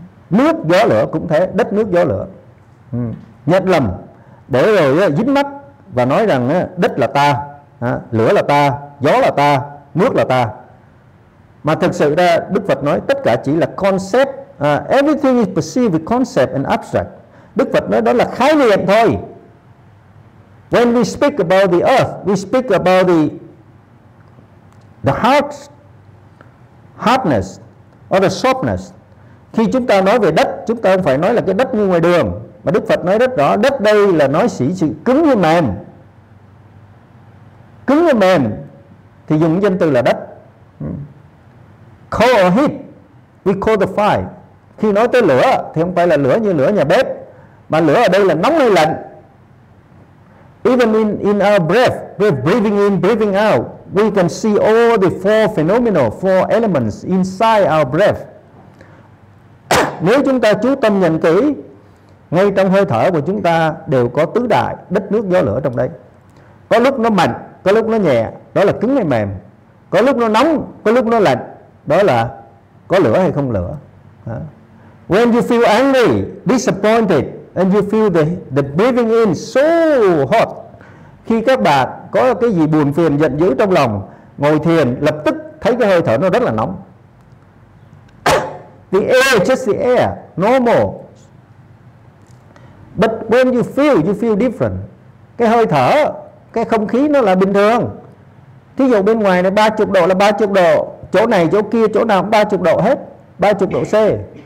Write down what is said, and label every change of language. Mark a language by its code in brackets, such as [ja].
[vi] Nước gió lửa cũng thế, đất nước gió lửa. Nhận lầm để rồi dính mắt và nói rằng đất là ta, lửa là ta, gió là ta, nước là ta. Mà thực sự ra Đức Phật nói tất cả chỉ là concept. [en] Everything is perceived with concept and abstract. [vi] Đức Phật nói đó là khái niệm thôi. [en] When we speak about the earth, we speak about the heart, hardness or the softness. [vi] Khi chúng ta nói về đất, chúng ta không phải nói là cái đất như ngoài đường. Mà Đức Phật nói rất rõ, đất đây là nói sỉ sự cứng như mềm. Cứng như mềm thì dùng danh từ là đất. [en] Cold or heat, we call the fire. [vi] Khi nói tới lửa thì không phải là lửa như lửa nhà bếp, mà lửa ở đây là nóng hay lạnh. [en] Even in our breath, we're breathing in, breathing out, we can see all the four phenomena, four elements inside our breath. [vi] Nếu chúng ta chú tâm nhận kỹ, ngay trong hơi thở của chúng ta đều có tứ đại đất nước gió lửa trong đấy. Có lúc nó mạnh, có lúc nó nhẹ, đó là cứng hay mềm. Có lúc nó nóng, có lúc nó lạnh, đó là có lửa hay không lửa. [en] When you feel angry, disappointed, and you feel the breathing in so hot. [vi] Khi các bạn có cái gì buồn phiền, giận dữ trong lòng, ngồi thiền lập tức thấy cái hơi thở nó rất là nóng. [en] The air is just the air, normal. But when you feel different. [vi] Cái hơi thở, cái không khí nó là bình thường. Thí dụ bên ngoài này 30 độ là 30 độ, chỗ này, chỗ kia, chỗ nào cũng 30 độ hết, 30 độ C.